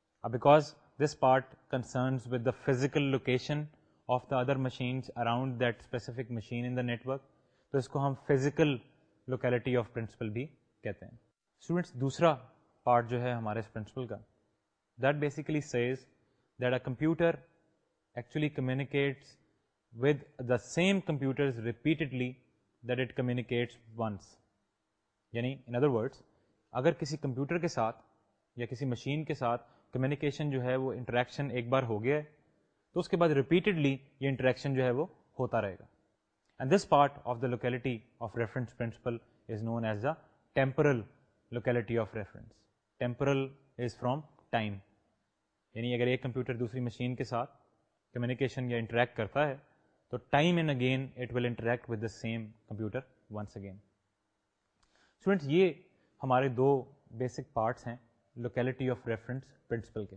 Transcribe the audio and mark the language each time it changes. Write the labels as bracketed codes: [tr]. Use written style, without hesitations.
[en] Because this part concerns with the physical location of the other machines around that specific machine in the network, so [ur] isko hum [en] physical locality of principle [ur] bhi kehte hain. [en] Students, [ur] dusra part jo hai hamare is principle ka, [en] that basically says that a computer actually communicates with the same computers repeatedly that it communicates once. [ur] Yani, [en] in other words, [ur] اگر کسی computer کے ساتھ یا کسی machine کے ساتھ communication جو ہے وہ انٹریکشن ایک بار ہو گیا ہے تو اس کے بعد ریپیٹڈلی یہ انٹریکشن جو ہے وہ ہوتا رہے گا. [en] And this part of the locality of reference principle is known as the temporal locality of reference. Temporal is from time. [ur] یعنی اگر ایک کمپیوٹر دوسری مشین کے ساتھ کمیونیکیشن یا انٹریکٹ کرتا ہے تو [en] Time and again it will interact with the same computer once again. [ur] Students, یہ ہمارے دو بیسک پارٹس ہیں لوکیلٹی آف ریفرنس پرنسپل کے.